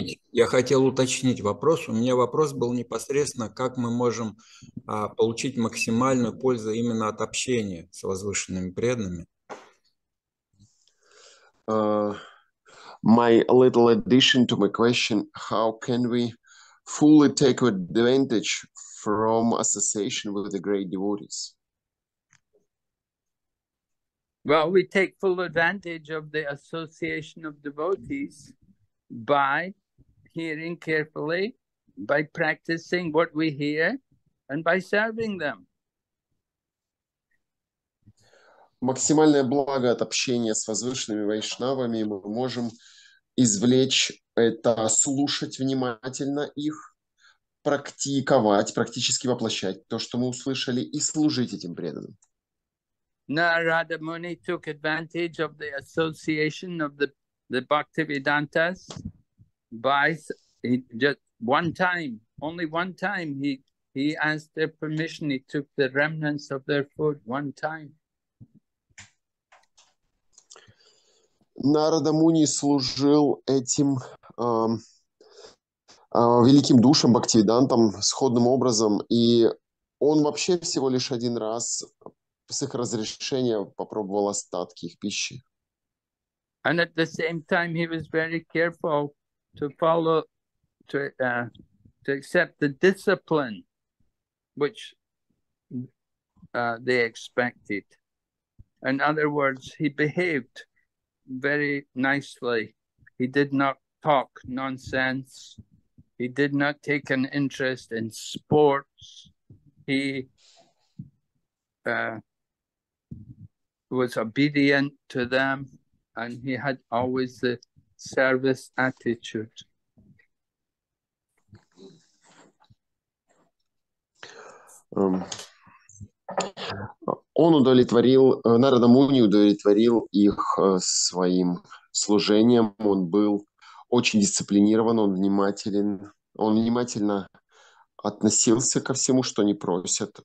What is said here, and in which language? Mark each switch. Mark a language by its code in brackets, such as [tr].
[ru] Я хотел уточнить вопрос. У меня вопрос был непосредственно, как мы можем получить максимальную пользу именно от общения с возвышенными преданными. [en] My little addition to my question, how can we fully take advantage from association with the great devotees? Well, we take full advantage of the association of devotees by hearing carefully, by practicing what we hear, and by serving them. [ru] Максимальное благо от общения с возвышенными вайшнавами мы можем извлечь это, слушать внимательно их, практиковать, практически воплощать то, что мы услышали, и служить этим преданным. [en] Narada Muni took advantage of the association of the Bhaktivedantas by just one time, only one time he asked their permission, he took the remnants of their food one time. [ru] Narada Muni служил этим великим душам, Бхактивидантам, сходным образом, и он вообще всего лишь один раз с их разрешения попробовал остатки их пищи. [en] And at the same time he was very careful to follow, to accept the discipline which they expected. In other words, he behaved very nicely. He did not talk nonsense. He did not take an interest in sports. He was obedient to them, and he had always the service attitude. [ru] Он удовлетворил, Нарада Муни удовлетворил их своим служением. Он был очень дисциплинирован, он внимателен. Он внимательно относился ко всему, что они просят.